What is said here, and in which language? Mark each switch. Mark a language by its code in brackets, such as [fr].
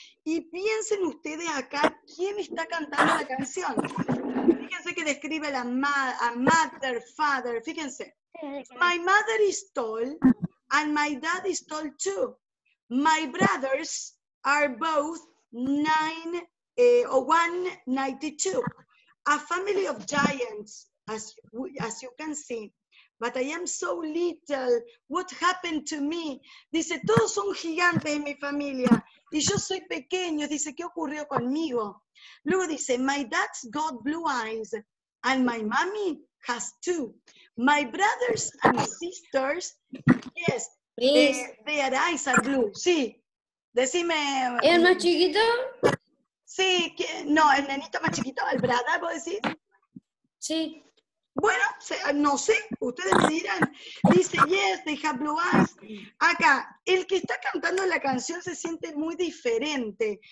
[es] Y piensen ustedes acá, ¿quién está cantando la canción? Fíjense que describe la mother, father, fíjense. [en] My mother is tall and my dad is tall too. My brothers are both 192. A family of giants, as you can see. But I am so little. What happened to me? [es] Dice, todos son gigantes en mi familia. Y yo soy pequeño. Dice, ¿qué ocurrió conmigo? Luego dice, [en] my dad's got blue eyes. And my mommy has two. My brothers and sisters, yes, their eyes are blue. [es] Sí. Decime. ¿El más chiquito? Sí, ¿quién? No, el nenito más chiquito, el brother, ¿puedo decir? Sí. Bueno, no sé, ustedes me dirán. Dice, [en] yes, they have blue eyes. [es] Acá, el que está cantando la canción se siente muy diferente.